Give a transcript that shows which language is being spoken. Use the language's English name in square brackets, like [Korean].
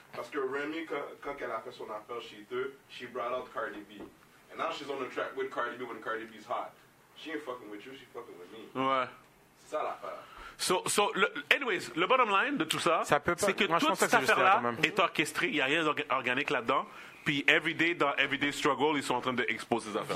[French] Parce que Remy, quand elle a fait son appel chez eux, [English] she brought out Cardi B. And now she's on the track with Cardi B when Cardi B's hot. She ain't fucking with you, she fucking with me. [French] Ouais. C'est ça l'affaire. [English] So, anyways, [French] le bottom line de tout ça, ça peut pas, c'est que toute cette affaire-là est orchestrée, il n'y a rien d'organique là-dedans. Puis, everyday, dans Everyday Struggle, ils sont en train d'exposer ces affaires.